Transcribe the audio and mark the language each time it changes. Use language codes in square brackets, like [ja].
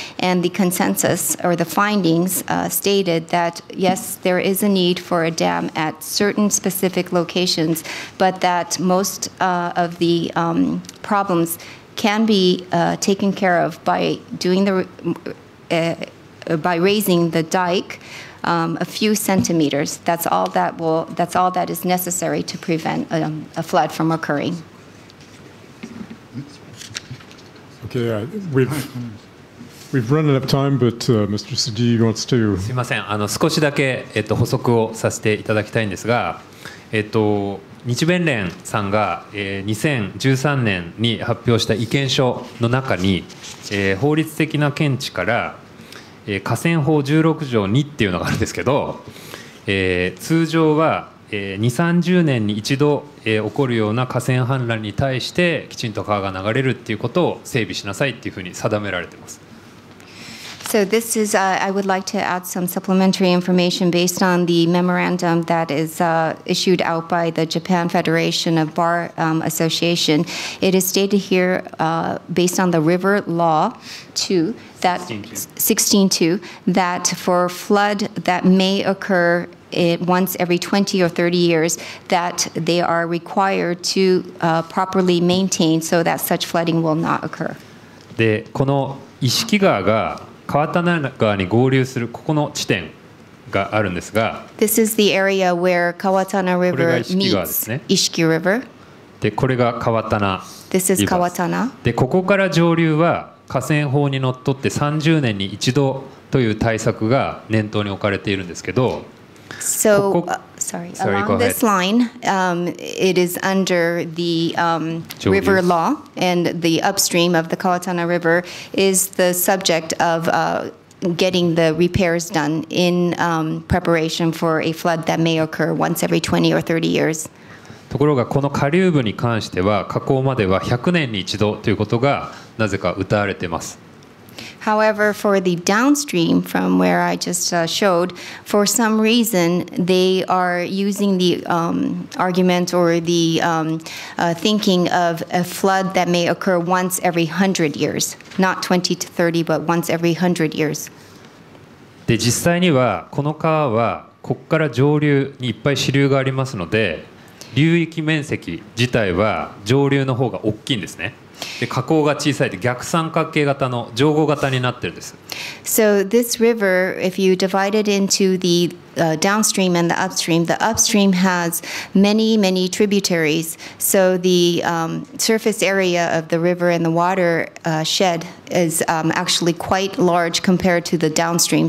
[en] And the consensus or the findings stated that, yes, there is a need for a dam at certain specific locations, but that most of the problems can be taken care of by doing the by raising the dike a few centimeters. That's all that will. That's all that is necessary to prevent a flood from occurring. Okay, we've run out of time, but Mr. Tsujii wants to. [ja] すみません。あの少しだけ補足をさせていただきたいんですが、日弁連さんが2013年に発表した意見書の中に、法律的な見地から。河川法16条2っていうのがあるんですけど、通常は2、30年に一度起こるような河川氾濫に対してきちんと川が流れるっていうことを整備しなさいっていうふうに定められています。 [en] So this is, I would like to add some supplementary information based on the memorandum that is issued out by the Japan Federation of Bar Association. It is stated here based on the river law 2that 16.2, that for flood that may occur once every 20 or 30 years, that they are required to properly maintain so that such flooding will not occur. [ja] で、この石木川が川棚川に合流するここの地点があるんですが、 [en] This is the area where Kawatana River meets Ishiki River. [ja] で、これが川棚。 [en] This is Kawatana. [ja] で、ここから上流は河川法にのっとって30年に一度という対策が念頭に置かれているんですけど、 [en] So, sorry, along this line, it is under the river law, and the upstream of the Kawatana River is the subject of getting the repairs done in preparation for a flood that may occur once every 20 or 30 years. [ja] ところがこの下流部に関しては河口までは100年に一度ということがなぜか謳われています。 [en] However, for the downstream from where I just showed, for some reason they are using the argument or the thinking of a flood that may occur once every 100 years, not 20 to 30, but once every 100 years. [ja] で、実際にはこの川はここから上流にいっぱい支流がありますので、流域面積自体は上流の方が大きいんですね。で、河口が小さいで逆三角形型の上郷型になってるんです。 [en] So this river, if you divide it into the downstream and the upstream has many, many tributaries. So the surface area of the river and the water shed is actually quite large compared to the downstream.